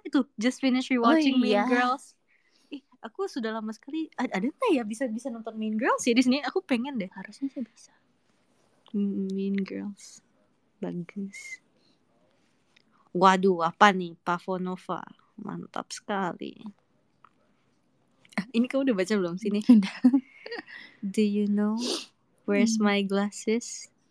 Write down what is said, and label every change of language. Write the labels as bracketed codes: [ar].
[en] Itu just finish rewatching Mean Girls. [id] Aku sudah lama sekali ada enggak ya bisa nonton Mean Girls ya di sini? Aku pengen deh. Harusnya sih bisa. Mean Girls. Bagus. Waduh, apa nih? Pavonova. Mantap sekali. Ini kamu udah baca belum sini? [en] Do you know where's my glasses?